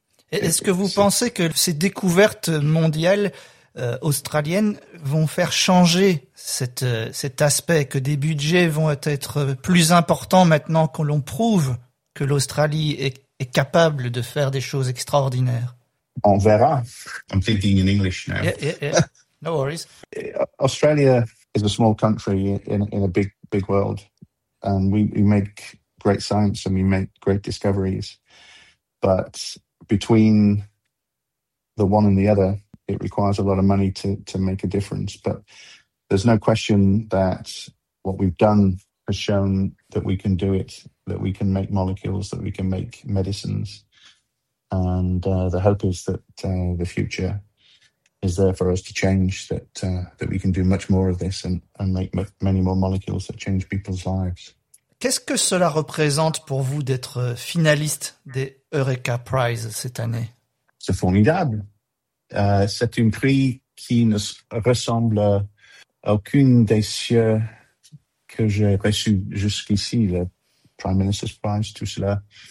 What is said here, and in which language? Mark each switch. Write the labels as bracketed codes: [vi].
[fr] Est-ce que vous pensez que ces découvertes mondiales australiennes vont faire changer cet aspect, que des budgets vont être plus importants maintenant que l'on prouve que l'Australie est capable de faire des choses extraordinaires? On verra. [en] I'm thinking in English now. Yeah, yeah, yeah. No worries. Australia is a small country in a big world, and we make great science and we make great discoveries. But between the one and the other, it requires a lot of money to make a difference. But there's no question that what we've done has shown that we can do it, that we can make molecules, that we can make medicines. And the hope is that the future is there for us to change, that that we can do much more of this and make many more molecules that change people's lives. [fr] Qu'est-ce que cela représente pour vous d'être finaliste des Eureka Prize cette année? C'est formidable. C'est un prix qui ne ressemble à aucune des cieux que j'ai reçu jusqu'ici, le Prime Minister's Prize, tout cela.